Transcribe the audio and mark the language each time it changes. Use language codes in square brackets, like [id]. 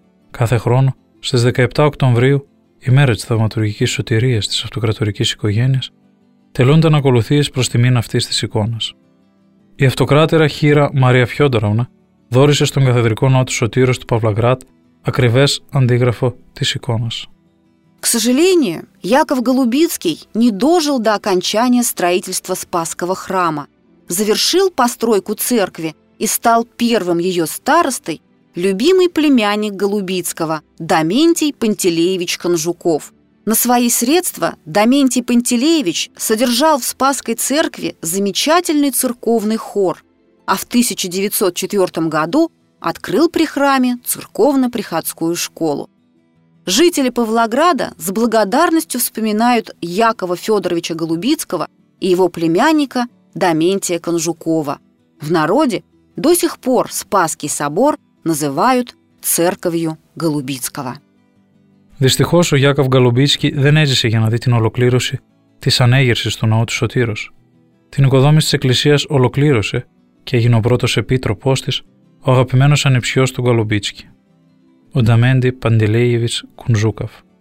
[el] Κάθε χρόνο, στις 17 Οκτωβρίου, η μέρα της θαυματουργικής σωτηρίας της αυτοκρατορικής οικογένειας, τελούνταν ακολουθίες προς τιμήν αυτής της εικόνας. Η αυτοκράτερα χείρα Μαρία Φιόντοροβνα δόρισε στον καθεδρικό ναό του Σωτήρος του Παυλαγράτ ακριβές αντίγραφο της εικόνας. [ru] К сожалению, Яков Голубицкий не дожил до окончания строительства Спасского храма. Завершил постройку церкви и стал первым ее старостой любимый племянник Голубицкого Дементий Пантелеевич Конжуков. На свои средства Дементий Пантелеевич содержал в Спасской церкви замечательный церковный хор, а в 1904 году открыл при храме церковно-приходскую школу. Жители Павлограда с благодарностью вспоминают Якова Федоровича Голубицкого и его племянника Дементия Конжукова. В народе до сих пор Спасский собор называют церковью Голубицкого. [el] Дистихос, ο Яков Голубицкий δεν έζησε για να δει την ολοκλήρωση της ανέγερσης του ναού του Σωτήρος. Την οικοδόμηση της εκκλησίας ολοκλήρωσε και έγινε ο πρώτος επίτροπός της ο αγαπημένος ανιψιός του Γκαλουμπίτσκι, ο Νταμέντι Παντελέιεβιτς Κουντζούκαφ.